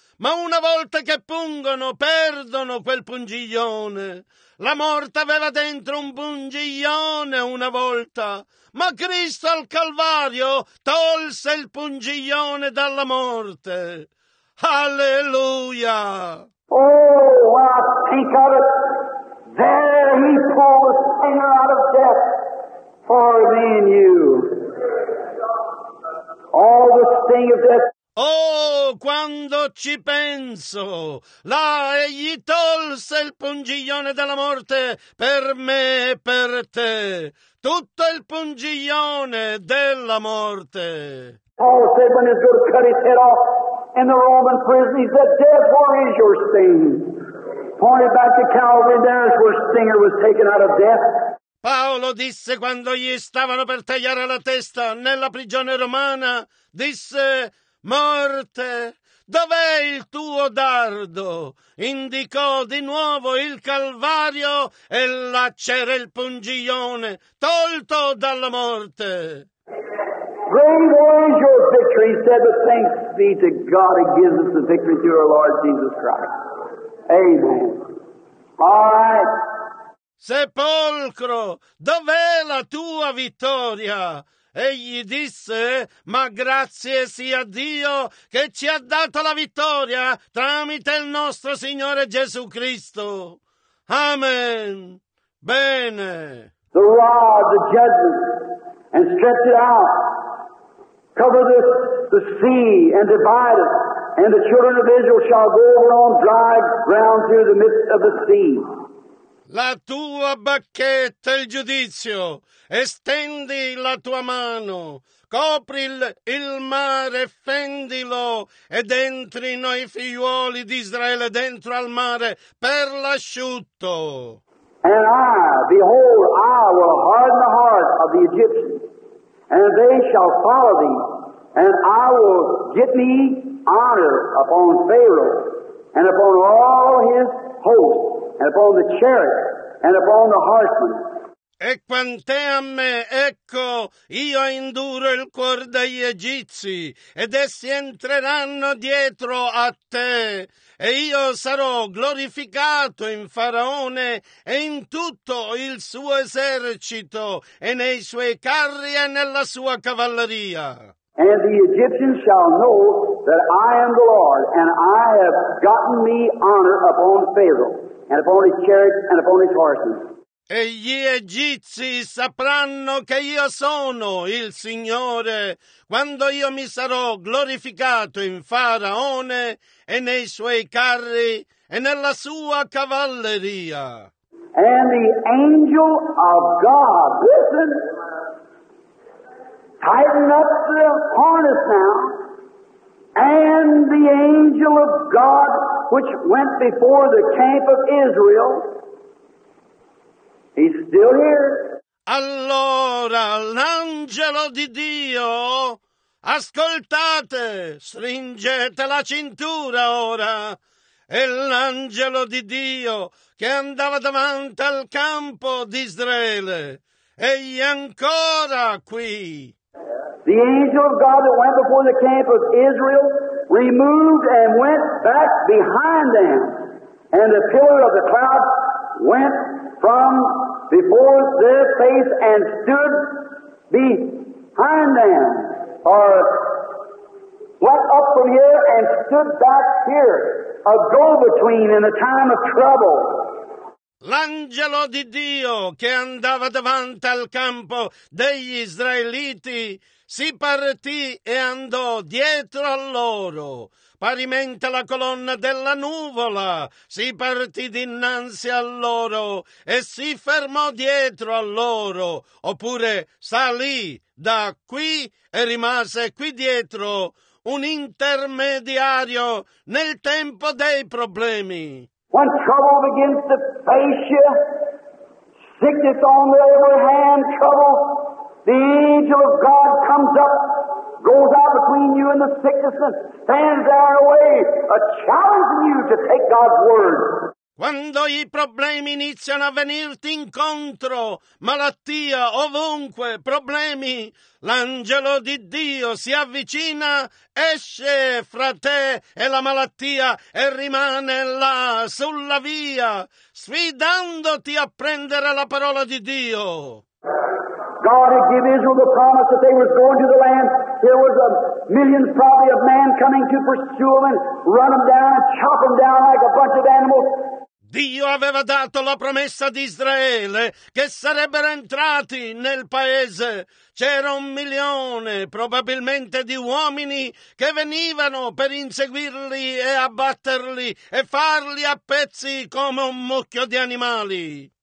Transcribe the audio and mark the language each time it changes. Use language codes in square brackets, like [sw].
[it] Ma una volta che pungono, perdono quel pungiglione. La morte aveva dentro un pungiglione una volta, ma Cristo al Calvario tolse il pungiglione dalla morte. Alleluia! [en] Oh, I think of it. There he pulled a stinger out of death for me and you. All the sting of death. [it] Oh, quando ci penso, là egli tolse il pungiglione della morte per me e per te. Tutto il pungiglione della morte. [en] Paul said when he was going to cut his head off in the Roman prison, he said, death, where is your sting? Pointed back to Calvary, there's where stinger was taken out of death. [it] Paolo disse quando gli stavano per tagliare la testa nella prigione romana, disse, morte, dov'è il tuo dardo? Indicò di nuovo il Calvario e là c'era il pungiglione, tolto dalla morte. [en] Great is your victory, said the thanks be to God who gives us the victory through our Lord Jesus Christ. Amen. All right. [it] Sepolcro, dov'è la tua vittoria? Egli disse, ma grazie sia a Dio che ci ha dato la vittoria tramite il nostro Signore Gesù Cristo. Amen. Bene. [en] The rod, the judgment, and stretch it out. Cover the sea and divide it. And the children of Israel shall go over on dry ground through the midst of the sea. [it] La tua bacchetta, il giudizio, estendi la tua mano, copri il mare, fendilo, ed entri noi figliuoli di Israele dentro al mare per l'asciutto. [en] And I, behold, I will harden the heart of the Egyptians, and they shall follow thee, and I will get me honor upon Pharaoh, and upon all his host, and upon the chariot, and upon the horsemen. [it] E quant'è a me, ecco, io induro il cuor degli Egizi, ed essi entreranno dietro a te, e io sarò glorificato in Faraone e in tutto il suo esercito, e nei suoi carri e nella sua cavalleria. [en] And the Egyptians shall know that I am the Lord, and I have gotten me honor upon Pharaoh. And upon his chariots and upon his horses. [it] E gli Egizi sapranno che io sono il Signore quando io mi sarò glorificato in Faraone e nei suoi carri e nella sua cavalleria. [en] And the angel of God, listen, tighten up the harness now. And the angel of God, which went before the camp of Israel, he's still here. [it] Allora, l'angelo di Dio, ascoltate, stringete la cintura ora. E l'angelo di Dio, che andava davanti al campo di Israele, egli è ancora qui. [en] The angel of God that went before the camp of Israel removed and went back behind them. And the pillar of the cloud went from before their face and stood behind them. Or went up from here and stood back here. A go-between in a time of trouble. [it] L'angelo di Dio che andava davanti al campo degli Israeliti si partì e andò dietro a loro. Parimente la colonna della nuvola si partì dinanzi a loro e si fermò dietro a loro. Oppure salì da qui e rimase qui dietro un intermediario nel tempo dei problemi. [en] When trouble begins to face you, sickness on every hand, trouble. The angel of God comes up, goes out between you and the sickness, and stands there away, challenging you to take God's word. [it] Quando i problemi iniziano a venirti incontro, malattia, ovunque, problemi, l'angelo di Dio si avvicina, esce fra te e la malattia e rimane là, sulla via, sfidandoti a prendere la parola di Dio. [en] God had given Israel the promise that they was going to the land. There was a million probably of man coming to pursue them and run them down and chop them down like a bunch of animals. [it] Dio aveva dato la promessa di Israele che sarebbero entrati nel paese. C'era un milione, probabilmente, di uomini che venivano per inseguirli e abbatterli e farli a pezzi come un mucchio di animali.